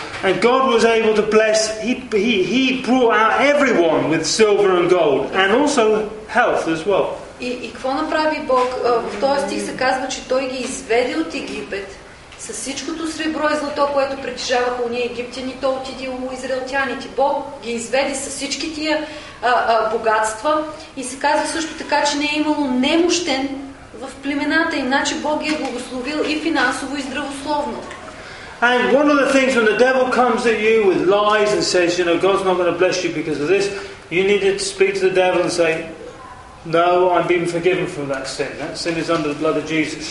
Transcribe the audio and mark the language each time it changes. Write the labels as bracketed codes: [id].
[en] And God was able to bless, he brought out everyone with silver and gold, and also health as well. [bg] И какво направи Бог? В този стих се казва, че той ги изведе от Египет. Със всичкото сребро и злато, което притежаваха уния египтяни, то отиде у израелтяните. Бог ги изведе със всички тия богатства и се казва също така, че не е имало немощен в племената, иначе Бог ги е благословил и финансово, и здравословно. [en] And one of the things when the devil comes at you with lies and says, you know, God's not going to bless you because of this, you need to speak to the devil and say, No, I'm being forgiven from that sin. That sin is under the blood of Jesus.